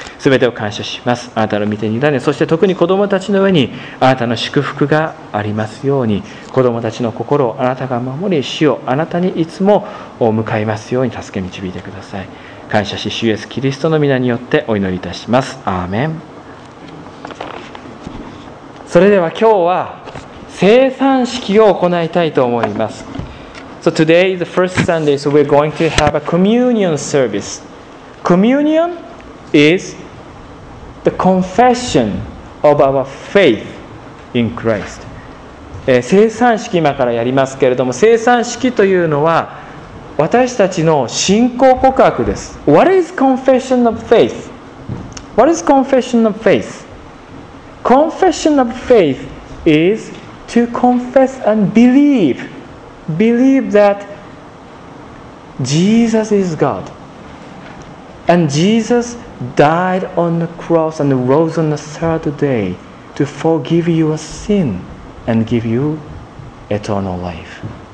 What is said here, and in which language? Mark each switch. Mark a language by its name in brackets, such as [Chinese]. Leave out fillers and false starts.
[Japanese] すべてを感謝します。あなたの御手に委ね、そして特に子供たちの上にあなたの祝福がありますように、子供たちの心をあなたが守り、主をあなたにいつも向かいますように助け導いてください。感謝し主イエスキリストの御名によってお祈りいたします。アーメン。それでは今日は聖餐式を行いたいと思います。 [English] So today is the first Sunday, so we're going to have a communion service. Communion is the confession of our faith in Christ. [Japanese] 聖餐式今からやりますけれども、聖餐式というのは私たちの信仰告白です。 [English] What is confession of faith? What is confession of faith? Confession of faith is to confess and believe. Believe that Jesus is God and Jesus died on the cross and rose on the third day to forgive your sin and give you eternal life.